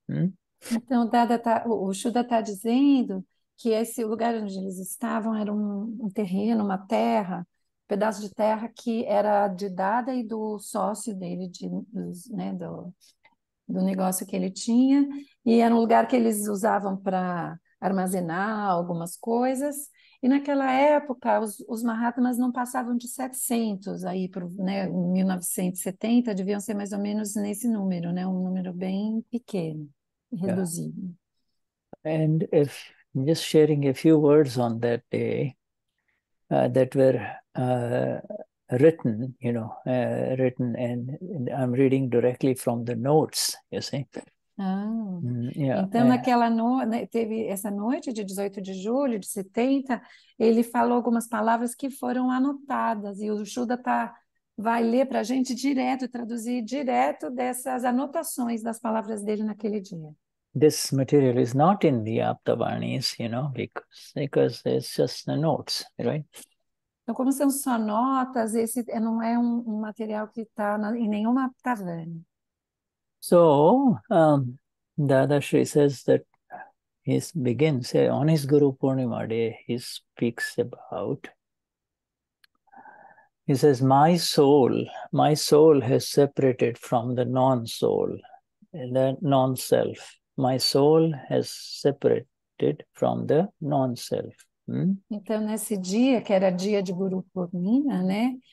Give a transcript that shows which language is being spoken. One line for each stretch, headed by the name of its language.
Portuguese: Então, o Shuddha está dizendo que esse lugar onde eles estavam era um terreno, uma terra, um pedaço de terra que era de Dada e do sócio dele, do negócio que ele tinha, e era um lugar que eles usavam para armazenar algumas coisas. E naquela época, os Mahatmas não passavam de 700, aí para, né, 1970, deviam ser mais ou menos nesse número, né, um número bem pequeno, reduzido.
English: Yeah. And if just sharing a few words on that day, that were written, you know, written, and I'm reading directly from the notes, you see.
Portuguese: Então, teve essa noite de 18 de julho de 70, ele falou algumas palavras que foram anotadas, e o Shuddha vai ler para a gente direto, traduzir direto dessas anotações das palavras dele naquele dia.
English: This material is not in the Aptavanis, you know, because it's just the notes, right?
Portuguese: Então, como são só notas, esse não é um material que está em nenhuma Aptavani.
English: So, Dadashri says that he begins on his Guru Purnima day. He speaks about, He says, my soul has separated from the non-soul, the non-self. My soul has separated from the non-self. Hmm?
Portuguese: Então, nesse dia, que era dia de Guru Purnima, né?